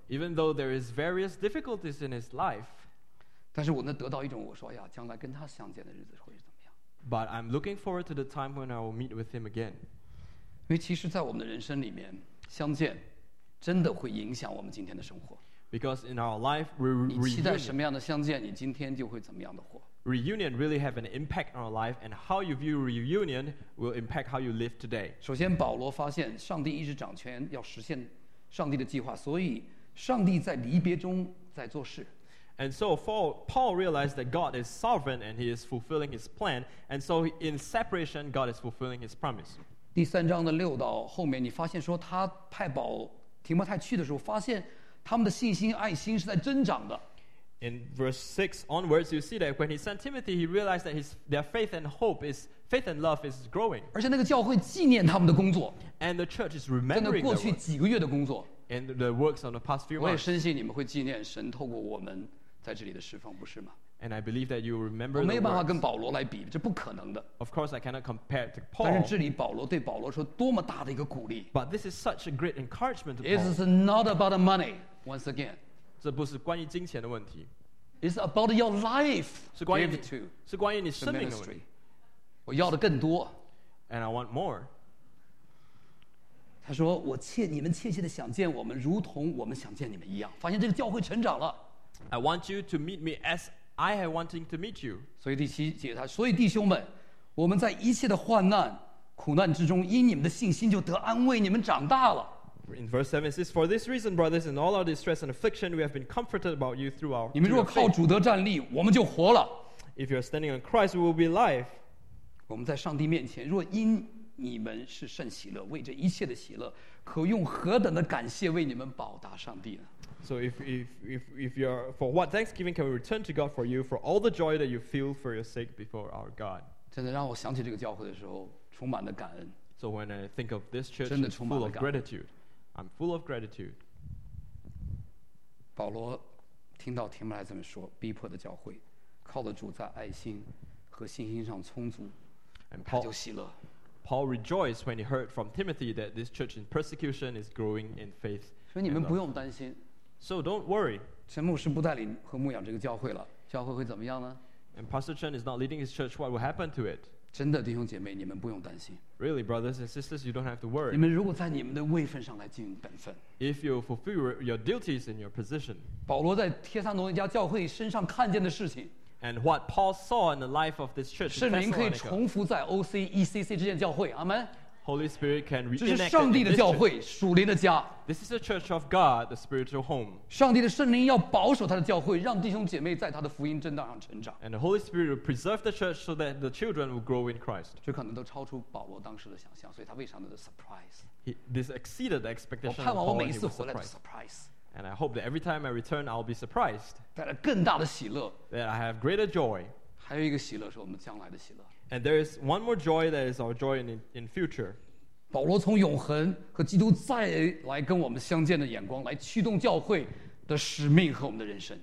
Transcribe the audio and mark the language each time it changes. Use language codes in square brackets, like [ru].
[en] Even though there is various difficulties in his life, [zh] 但是我能得到一种我说呀，将来跟他相见的日子会。 [en] But I'm looking forward to the time when I will meet with him again. [zh] 因为其实，在我们的人生里面，相见真的会影响我们今天的生活。 [en] Because in our life, reunion. [zh] 你期待什么样的相见，你今天就会怎么样的活。 [en] Reunion really have an impact on our life, and how you view reunion will impact how you live today. [zh] 首先，保罗发现上帝一直掌权，要实现上帝的计划，所以上帝在离别中在做事。 [en] And so Paul realized that God is sovereign and he is fulfilling his plan. And so in separation, God is fulfilling his promise. [zh] 第三章的六到后面，你发现说他派保提摩太去的时候，发现他们的信心、爱心是在增长的。 [en] In verse 6 onwards, you see that when he sent Timothy, he realized that their faith and love is growing. [zh] 而且那个教会纪念他们的工作。 [en] And the church is remembering their work. [zh] 过去几个月的工作。 [en] And the works on the past few months. [zh] 我也深信你们会纪念神透过我们在这里的侍奉，不是吗？ [en] And I believe that you remember. [zh] 我没办法跟保罗来比，这不可能的。 [en] Of course, I cannot compare to Paul. [zh] 但是这里保罗对保罗说多么大的一个鼓励。 [en] But this is such a great encouragement to Paul. This is not about the money. Once again, [zh] 这不是关于金钱的问题。 [en] It's about your life. [zh] 是关于 [en] give it to [zh] 是关于你生命的问题。我要的更多。 [en] And I want more. [zh] 他说我切你们切切的想见我们如同我们想见你们一样发现这个教会成长了 [en] I want you to meet me as I am wanting to meet you [zh] 所以第七节他所以弟兄们我们在一切的患难苦难之中因你们的信心就得安慰你们长大了 [en] In verse 7 it says For this reason brothers in all our distress and affliction we have been comforted about you through our [zh] 你们若靠主得站立我们就活了 [en] If you are standing on Christ we will be alive [zh] 我们在上帝面前若因你们是甚喜乐，为这一切的喜乐，可用何等的感谢为你们报答上帝呢 [en] ？So if you are for what thanksgiving can we return to God for you for all the joy that you feel for your sake before our God？ [zh] 真的让我想起这个教会的时候，充满了感恩。 [en] So when I think of this church, [zh] 真的充满了感恩。 [en] Full of gratitude. I'm full of gratitude. [zh] 保罗听到提摩太这么说，逼迫的教会，靠着主在爱心和信心上充足，他就喜乐。 [en] Paul rejoiced when he heard from Timothy that this church in persecution is growing in faith. [zh] 所以你们不用担心。 [en] So don't worry. [zh] 陈牧师不带领和牧养这个教会了，教会会怎么样呢？ [en] And Pastor Chen is not leading his church, what will happen to it? [zh] 真的弟兄姐妹，你们不用担心。 [en] Really, brothers and sisters, you don't have to worry. [zh] 你们如果在你们的位分上来尽本分。 [en] If you fulfill your duties in your position. [zh] 保罗在帖撒罗尼迦教会身上看见的事情。 [en] And what Paul saw in the life of this church. [zh] 圣灵可以重复在 OC ECC 这间教会，阿门。 [en] Holy Spirit can reconnect. [zh] 这是上帝的教会，属灵的家。 [en] This is the church of God, the spiritual home. [zh] 上帝的圣灵要保守他的教会，让弟兄姐妹在他的福音正道上成长。 [en] And the Holy Spirit will preserve the church so that the children will grow in Christ. [zh] 这可能都超出保罗当时的想象，所以他非常的 surprise. [en] This exceeded the expectation. [zh] 我盼望我每一次回来的 surprise. [en] And I hope that every time I return, I'll be surprised. [zh] 带来更大的喜乐。 [en] That I have greater joy. [zh] 还有一个喜乐是我们将来的喜乐。 [en] And there is one more joy that is our joy in future. [zh] 保罗从永恒和基督再来跟我们相见的眼光来驱动教会的使命和我们的人生。